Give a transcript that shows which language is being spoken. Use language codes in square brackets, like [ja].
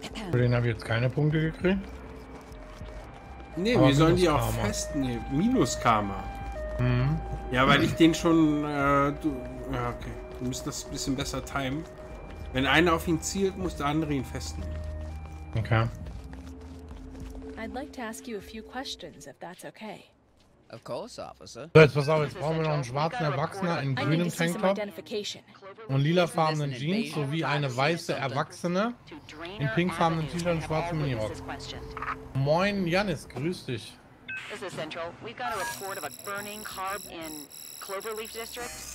[de] Für den habe ich jetzt keine Punkte gekriegt. Nee, aber wir sollen die auch festnehmen. Minus Karma. Mhm. Ja, weil ich den schon. Ja, okay. Du musst das ein bisschen besser timen. Wenn einer auf ihn zielt, muss der andere ihn festnehmen. Okay. [en] I'd like to ask you a few questions, if that's okay. Of course, officer. [de] So, jetzt pass auf, jetzt brauchen wir noch einen schwarzen Erwachsenen in grünem Tanktop und lilafarbenen Jeans sowie eine weiße Erwachsene in pinkfarbenen T-Shirt und schwarzen Minirock. Moin, Janis, grüß dich. [en] This is Central. We've got a report of a burning car in Cloverleaf District.